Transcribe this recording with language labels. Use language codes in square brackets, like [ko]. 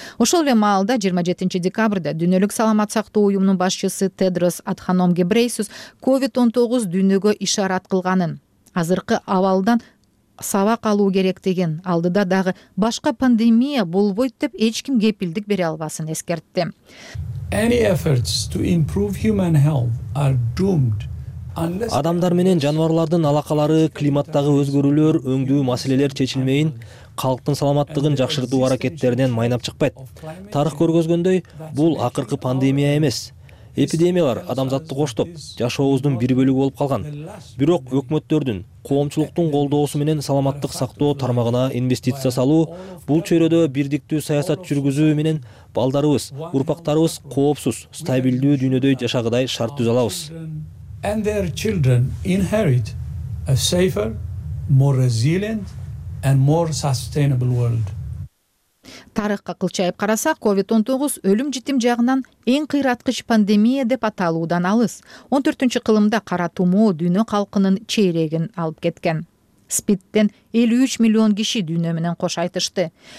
[ky] Ошол эле маалда 27 декабрда дүйнөлүк саламат сактоо уюмунун башчысы Тедрос Адханом Гебрейсус COVID-19 дүйнөгө ишарат кылганын, азыркы абалдан сабак алуу керектигин, алдыда дагы башка пандемия болбойт деп эч ким кепилдик бере албасын эскертти. [en] Any efforts to improve human health are doomed. [ky] Адамдар менен жаныбарлардын алакалары, климаттагы өзгөрүүлөр, өңдүү маселелер чечилмейин, калктын саламаттыгын жакшыртуу аракеттеринен майнап чыкпайт. Тарых көргөзгөндөй, бул акыркы пандемия эмес. Эпидемиялар адамзатты коштоп, жашообуздун бир бөлүгү болуп калган. Бирок өкмөттөрдүн, коомчулуктун колдоосу менен саламаттык сактоо тармагына инвестиция салуу, бул чөйрөдө бирдиктүү саясат жүргүзүү менен балдарыбыз, урпактарыбыз коопсуз, стабилдүү дүйнөдө жашагыдай шарт түзөлөбүз. [en] And their children inherit a safer, more resilient and more sustainable world. [ky] Тарыхка кылчайып карасак, COVID-19 өлүм житим жагынан эң кыйраткыч пандемия деп аталуудан алыс. 14-кылымда кара тумоо дүйнө калкынын чейрегин алып кеткен. СПИДден 53 миллион киши дүйнө менен кош айтышты.